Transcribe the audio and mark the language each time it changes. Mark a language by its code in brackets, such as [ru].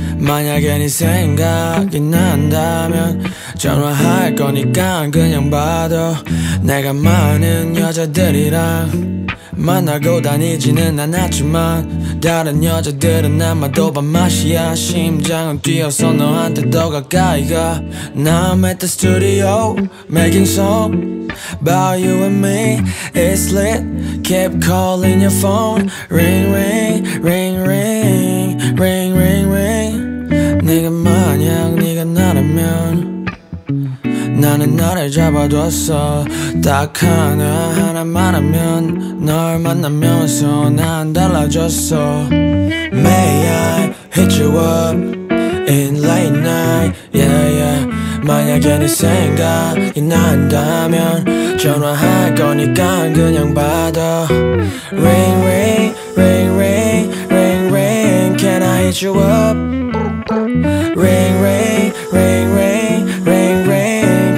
[ko] 만약에 네 생각이 난다면 전화할 거니까 그냥 받아. 내가 많은 여자들이랑 만나고 다니지는 않았지만 다른 여자들은 아마도 밥맛이야. 심장은 뛰어서 너한테 더 가까이 가. [en] Now I'm at the studio making song about you and me. It's lit. Keep calling your phone. Ring ring ring ring ring ring ring. [ko] 네가 만약 네가 나라면 나는 나를 잡아뒀어. 딱 하나 하나만 하면 널 만나면서 난 달라졌어. [en] May I hit you up in late night. Yeah yeah. [ko] 만약에 네 생각이 난다면 전화할 거니까 그냥 받아. [en] Ring ring ring ring ring ring. Can I hit you up? Ring ring ring ring ring ring.